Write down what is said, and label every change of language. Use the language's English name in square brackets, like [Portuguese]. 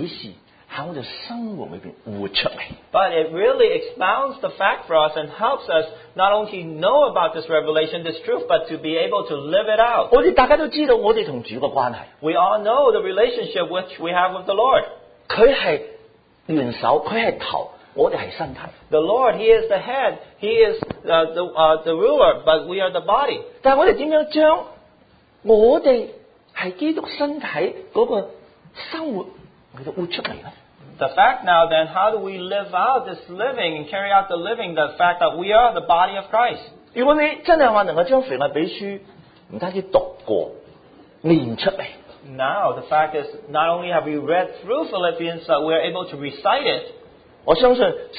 [Chinese] 真理,这个启示,在我们的生活里面活出来。 [English] But it really expounds the fact for us and helps us not only know about this revelation, this truth, but to be able to live it out. [Chinese] 大家都知道我们与主的关系。 [English] We all know the relationship which we have with the Lord. [Chinese] 他是元首,他是头。 [English] The Lord, He is the head, He is the ruler, but we are the body. [Chinese] 但我们怎么将我们是基督身体那个生活活出来呢? [English] The fact now then, how do we live out this living and carry out the living, the fact that we are the body of Christ? [Chinese] 如果你真的能够将腓立比书不单止读过,念出来。 [English] Now, the fact is, not only have we read through Philippians, but we are able to recite it.